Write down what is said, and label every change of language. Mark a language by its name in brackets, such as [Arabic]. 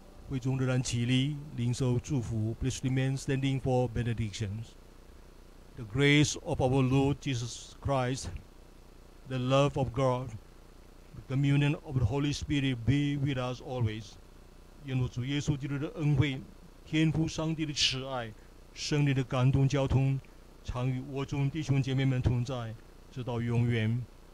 [Chinese] 会众仍然起立领受祝福。 [English] Please remain standing for benedictions. The grace of our Lord Jesus Christ, the love of God, the communion of the Holy Spirit be with us always. [Chinese] 愿我主耶稣基督的恩惠、天父上帝的慈爱、圣灵的感动交通，常与我众弟兄姐妹们同在，直到永远。